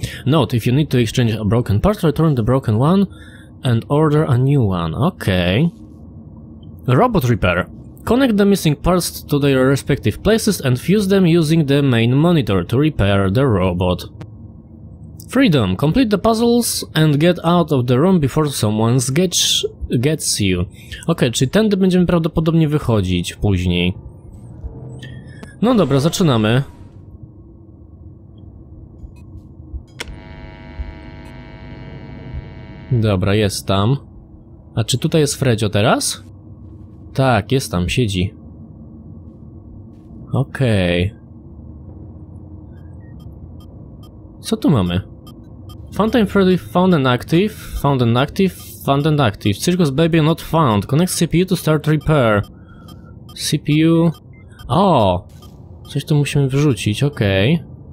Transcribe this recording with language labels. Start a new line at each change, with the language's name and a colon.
English: Note, if you need to exchange a broken part, return the broken one and order a new one. Okay. Robot repair. Connect the missing parts to their respective places and fuse them using the main monitor to repair the robot. Freedom. Complete the puzzles and get out of the room before someone gets you.
Polish: Okej, czyli tędy będziemy prawdopodobnie wychodzić później. No dobra, zaczynamy. Dobra, jest tam. A czy tutaj jest Fredzio teraz? Tak, jest tam, siedzi. Okej. Co tu mamy?
English: Funtime Freddy found and active, found and active, found and active. Circus Baby not found. Connect CPU to start repair. CPU... O!
Polish: Coś tu musimy wyrzucić, okej.